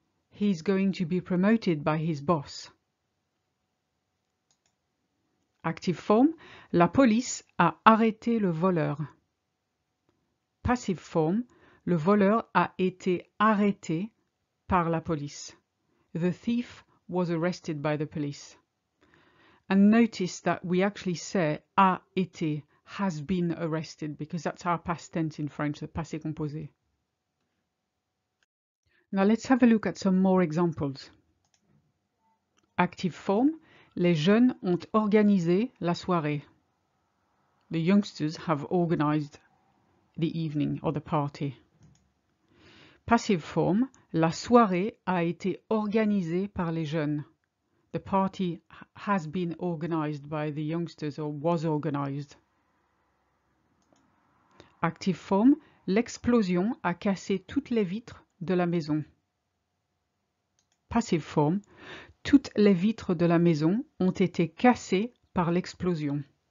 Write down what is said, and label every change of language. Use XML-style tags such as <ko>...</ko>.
<en>He's going to be promoted by his boss. Active form,</en> <fr>la police a arrêté le voleur.</fr> <en>Passive form,</en> <fr>le voleur a été arrêté par la police.</fr> <en>The thief was arrested by the police. And notice that we actually say</en> <fr>a été,</fr> <en>has been arrested, because that's our past tense in French, the passé composé. Now let's have a look at some more examples. Active form,</en> <fr>les jeunes ont organisé la soirée.</fr> <en>The youngsters have organized the evening or the party. Passive form,</en> <fr>la soirée a été organisée par les jeunes.</fr> <en>The party has been organized by the youngsters or was organized. Active form,</en> <fr>l'explosion a cassé toutes les vitres de la maison.</fr> <en>Passive form,</en> <fr>toutes les vitres de la maison ont été cassées par l'explosion.</fr>